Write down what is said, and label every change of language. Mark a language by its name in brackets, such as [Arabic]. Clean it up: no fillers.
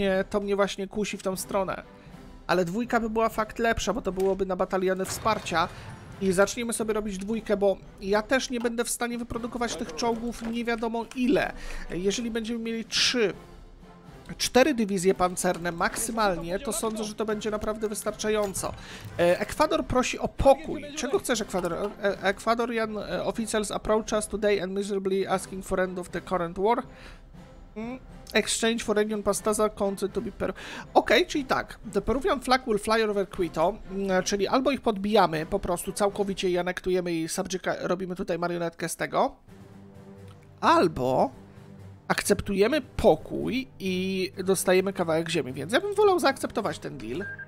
[Polish] To mnie właśnie kusi w tą stronę. Ale dwójka by była fakt lepsza, bo to byłoby na bataliony wsparcia. I zacznijmy sobie robić dwójkę, bo ja też nie będę w stanie wyprodukować tych czołgów nie wiadomo ile. Jeżeli będziemy mieli 3-4 dywizje pancerne maksymalnie, to sądzę, że to będzie naprawdę wystarczająco. Ekwador prosi o pokój. Czego chcesz, Ekwador? [English] Ekwadorian officials approach us today and miserably asking for end of the current war. Exchange for region Pastaza, Conte to be Peru. [Polish] Okej, okay, czyli tak. [English] The Peruvian flag will fly over Quito, [Polish] czyli albo ich podbijamy po prostu całkowicie i anektujemy i subjecta, robimy tutaj marionetkę z tego, albo akceptujemy pokój i dostajemy kawałek ziemi, więc ja bym wolał zaakceptować ten deal.